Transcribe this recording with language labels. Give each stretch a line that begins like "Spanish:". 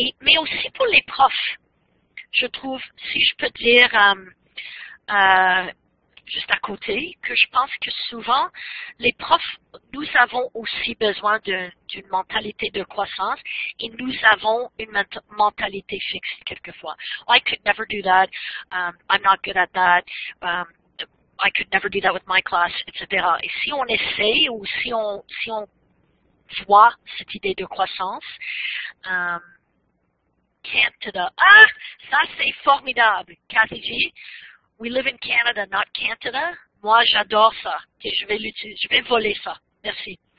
French: Mais aussi pour les profs. Je trouve, si je peux dire juste à côté, que je pense que souvent, les profs, nous avons aussi besoin d'une mentalité de croissance et nous avons une mentalité fixe quelquefois.
English: I could never do that. I'm not good at that. I could never do that with my class, etc.
French: Et si on essaye ou si on voit cette idée de croissance, Canada. Ah! Ça, c'est formidable! Cathy G.,
English: we live in Canada, not Canada.
French: Moi, j'adore ça. Okay, je vais voler ça. Merci.